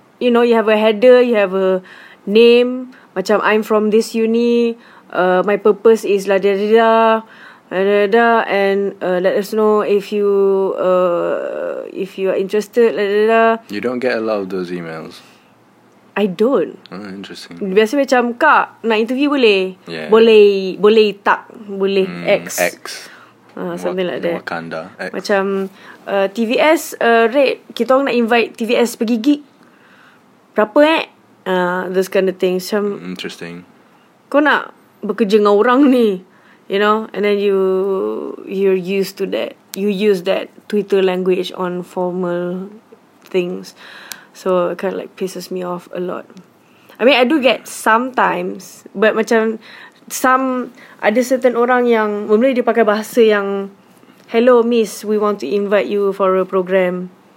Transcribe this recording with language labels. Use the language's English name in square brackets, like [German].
[English] You know, you have a header, you have a name, [Malay] macam [English] I'm from this uni, my purpose is la da da da. And let us know if you are interested. Blah, blah, blah. You don't get a lot of those emails. I don't. Oh, interesting. [Malay] Biasa macam kak nak interview boleh, boleh tak, boleh X. [English] Something like that. Wakanda. X. [Malay] Macam TVS rate kita orang nak invite TVS pergi gig. Berapa eh? [English] Those kind of things. [Malay] Macam, [English] interesting. [Malay] Kau nak bekerja dengan orang ni. [English] You know, and then you're used to that. You use that Twitter language on formal things. So it kind of like pisses me off a lot. I mean, I do get sometimes, but [Malay] macam [English] some [Malay] ada certain orang yang mula dia pakai bahasa yang [English] hello miss, we want to invite you for a program.